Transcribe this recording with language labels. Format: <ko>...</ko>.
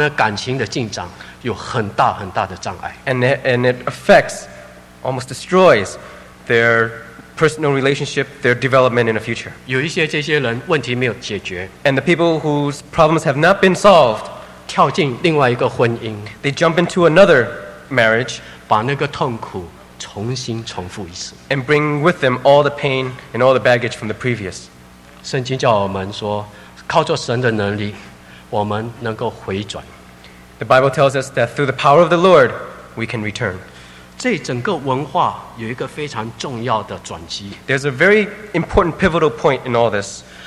<zh>使到他们的人际关系，他们的感情的进展有很大很大的障碍。</zh> <en>And it affects, almost destroys their personal relationship, their development in the future.</en> <zh>有一些这些人问题没有解决。</zh> <en>And the people whose problems have not been solved,</en> <zh>跳进另外一个婚姻。</zh> <en>They jump into another marriage,</en> <zh>把那个痛苦 重新重复一次。</zh> <en>And bring with them all the pain and all the baggage from the previous.</en> <zh>圣经叫我们说，靠着神的能力，我们能够回转。</zh> <en>The Bible tells us that through the power of the Lord, we can return.</en> <zh>这整个文化有一个非常重要的转机。</zh> <en>There's a very important pivotal point in all this.</en>